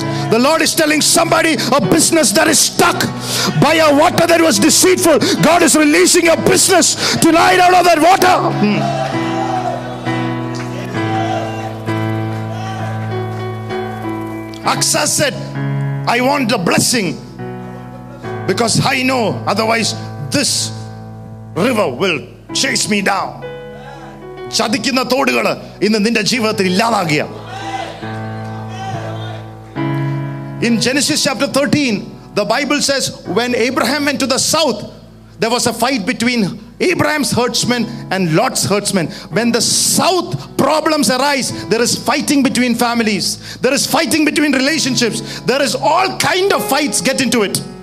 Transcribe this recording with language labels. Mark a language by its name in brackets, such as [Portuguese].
[English] The Lord is telling somebody, a business that is stuck by a water that was deceitful, God is releasing your business tonight out of that water. Aksa said, I want the blessing because I know otherwise this river will chase me down. [Malayalam] ചതിക്കുന്ന തോടുകൾ ഇന്ന് നിന്റെ ജീവിതത്തിൽ ഇല്ലാതാകുക. [English] In Genesis chapter 13, the Bible says, when Abraham went to the south, there was a fight between Abraham's herdsmen and Lot's herdsmen. When the south problems arise, there is fighting between families. There is fighting between relationships. There is all kind of fights get into it.